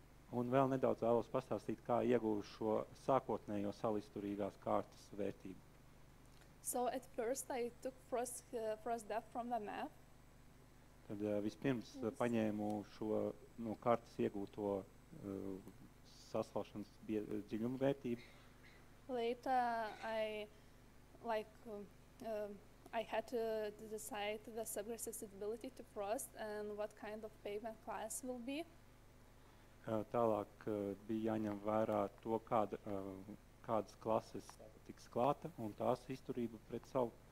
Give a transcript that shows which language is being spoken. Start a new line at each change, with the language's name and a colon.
Latvian: Un vēl nedaudz vēlos pastāstīt, kā iegūšu šo sākotnējo salisturīgās kārtas vērtību.
English: So at first I took frost depth from the map.
Latvian: Tad vispirms paņēmu šo no kārtas iegūto sasalšanas dziļumu vērtību.
English: Later I had to decide the severe susceptibility to frost and what kind of pavement class will be.
Latvian: Tālāk bija jāņem vērā to, kādas klases tiks klāta un tās izturība pret savu.